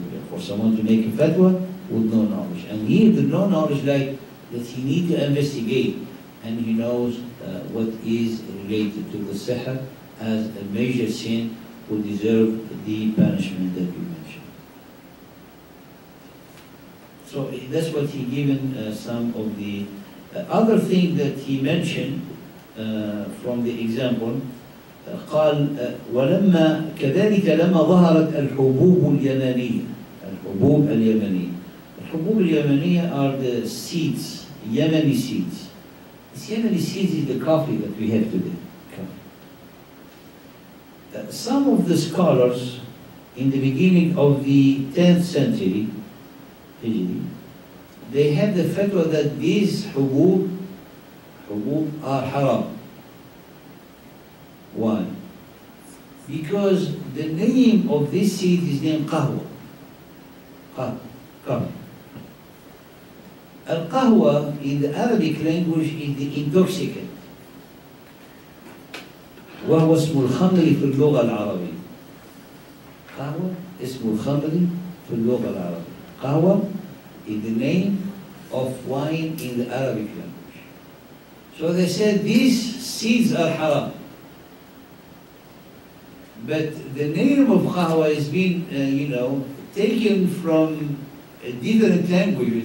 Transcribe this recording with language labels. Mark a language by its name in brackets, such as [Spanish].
[English] For someone to make a fatwa with no knowledge, and here the no knowledge like that he need to investigate, and he knows what is related to the sihr as a major sin who deserve the punishment that you mentioned. So that's what he given some of the other thing that he mentioned from the example. [Arabic] قال ولما كذلك لما ظهرت الحبوب اليمنية الحبوب اليمنية الحبوب اليمنية [English] are the seeds, Yemeni seeds. This Yemeni seeds is the coffee that we have today. Some of the scholars in the beginning of the 10th century Hijri, they had the fatwa that these hubub are haram. Why? Because the name of this seed is named qahwa. Qahwa. Al-qahwa in the Arabic language is the intoxicant. [Arabic] وهو اسم الخمر في اللغة العربية. قهوة اسم الخمر في اللغة العربية. [English] قهوة is the name of wine in the Arabic language. So they said these seeds are haram. But the name of قهوة has been, taken from a different language.